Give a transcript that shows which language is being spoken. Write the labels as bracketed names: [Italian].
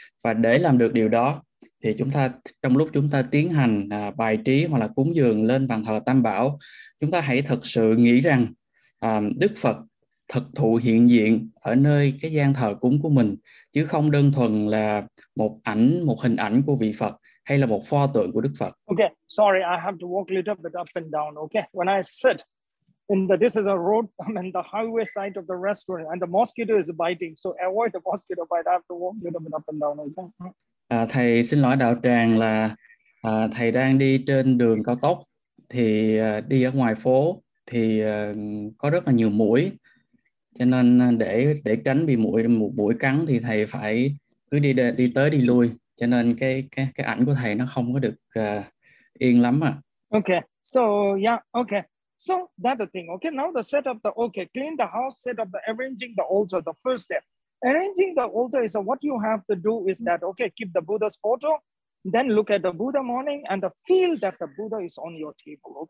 [Vietnamese] Và để làm được điều đó, thì chúng ta trong lúc chúng ta tiến hành bài trí hoặc là cúng dường lên bàn thờ Tam Bảo, chúng ta hãy thực sự nghĩ rằng Đức Phật thực thụ hiện diện ở nơi cái gian thờ cúng của mình, chứ không đơn thuần là một hình ảnh của vị Phật hay là một pho tượng của Đức Phật. [English] Okay, sorry, I have to walk a little bit up and down. Okay, when I sit in the, this is a road, I'm in the highway side of the restaurant and the mosquito is biting, so avoid the mosquito bite. I have to walk a little bit up and down. Okay? [Vietnamese] Thầy xin lỗi đạo tràng là thầy đang đi trên đường cao tốc, thì đi ở ngoài phố thì có rất là nhiều muỗi, cho nên để tránh bị muỗi cắn thì thầy phải cứ đi tới đi lui, cho nên cái ảnh của thầy nó không có được yên lắm ạ. [English] Okay, so yeah, okay, so that's the thing. Okay, now the set up the okay, clean the house, set up the arranging the altar, the first step. Arranging the altar is what you have to do is that okay, keep the Buddha's photo, then look at the Buddha morning and feel that the Buddha is on your table.